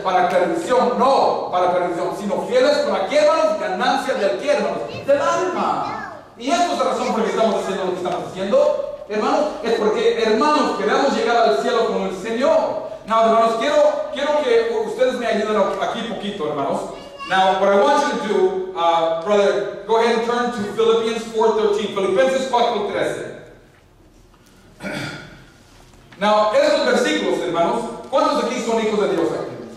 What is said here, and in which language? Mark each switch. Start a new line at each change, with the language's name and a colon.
Spanish: Para perdición, no para perdición, sino fieles para qué, hermanos, ganancia del qué, hermanos, del alma. Y esto es la razón por la que estamos haciendo lo que estamos haciendo. Hermanos, es porque, hermanos, queremos llegar al cielo con el Señor. Now, hermanos, quiero que ustedes me ayuden aquí poquito, hermanos.
English: Now, what I want you to do, brother, go ahead and turn to Philippians 4:13.
Spanish: Filipenses 4:13. Now, esos versículos, hermanos, ¿cuántos aquí son hijos de Dios aquí?